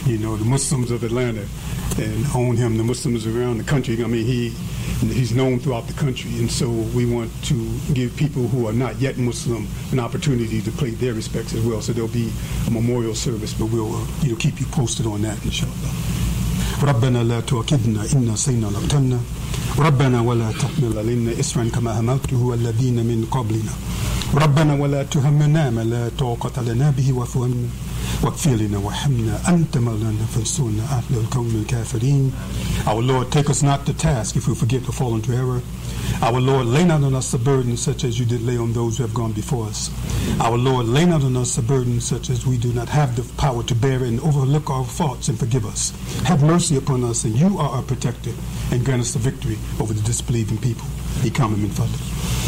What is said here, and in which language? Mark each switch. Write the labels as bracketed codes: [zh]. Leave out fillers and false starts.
[en] You know, the Muslims of Atlanta and own him, the Muslims around the country. I mean, he's known throughout the country, and so we want to give people who are not yet Muslim an opportunity to pay their respects as well. So there'll be a memorial service, but we'll keep you posted on that, inshallah. [ar] ربنا لا تؤاخذنا إن نسينا أو أخطأنا ربنا ولا تحمل علينا إصرا كما حملته على الذين من قبلنا ربنا ولا تهمنا ما لا طاقة لنا به واعف عنا واغفر لنا وارحمنا أنت مولانا فانصرنا على القوم الكافرين. [en] Our Lord, take us not to task if we forget to fall into error. Our Lord, lay not on us a burden such as you did lay on those who have gone before us. Our Lord, lay not on us a burden such as we do not have the power to bear, and overlook our faults and forgive us. Have mercy upon us, and you are our protector, and grant us the victory over the disbelieving people. [ar] Ikam min fadlik.